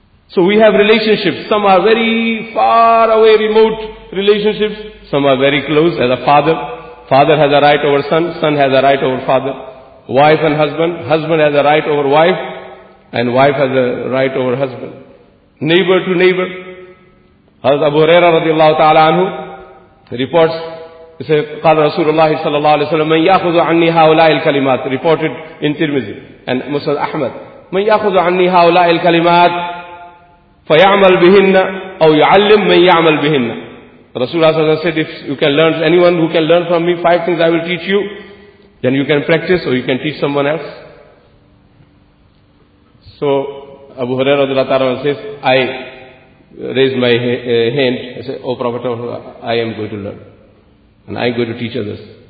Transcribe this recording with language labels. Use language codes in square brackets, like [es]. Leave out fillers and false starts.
[en] So we have relationships. Some are very far away, remote relationships. Some are very close, as a father. Father has a right over son. Son has a right over father. Wife and husband. Husband has a right over wife. And wife has a right over husband. Neighbor to neighbor. Hazrat Abu Huraira radiallahu ta'ala anhu reports, he said, [ar] قال رسول الله صلى الله عليه وسلم من يأخذ عني هؤلاء الكلمات, [en] reported in Tirmidhi and Musnad Ahmad, [ar] من يأخذ عني هؤلاء الكلمات فيعمل بهن أو يعلم من يعمل بهن. [en] Rasulullah صلى الله عليه وسلم said, if you can learn, anyone who can learn from me five things, I will teach you, then you can practice or you can teach someone else. So Abu Huraira radiallahu ta'ala says, I raised my hand, I said, "Oh Prophet, I am going to learn. And I am going to teach others."